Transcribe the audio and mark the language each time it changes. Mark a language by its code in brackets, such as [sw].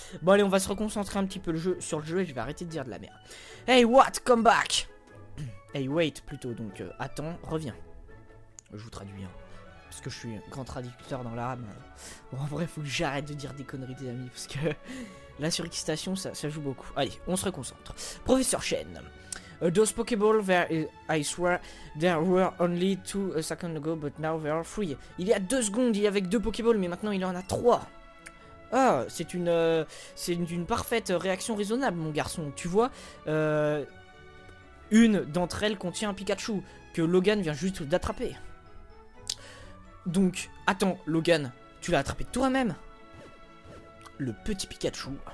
[fr] Bon, allez, on va se reconcentrer un petit peu sur le jeu et je vais arrêter de dire de la merde. [en] Hey, what? Come back! Hey, wait, [fr] plutôt. Donc, attends, reviens. Je vous traduis, hein. Parce que je suis un grand traducteur dans l'âme. Bon, en vrai, faut que j'arrête de dire des conneries, des amis, parce que la surexcitation, ça joue beaucoup. Allez, on se reconcentre. Professeur Shen. [en] Those Pokéball, I swear, there were only 2 seconds ago, but now there are 3. [fr] Il y a 2 secondes, il y avait 2 Pokéball, mais maintenant il en a 3. Ah, c'est une parfaite réaction raisonnable, mon garçon. Tu vois, une d'entre elles contient un Pikachu, que Logan vient juste d'attraper. Donc, attends, Logan, tu l'as attrapé toi-même? Le petit Pikachu.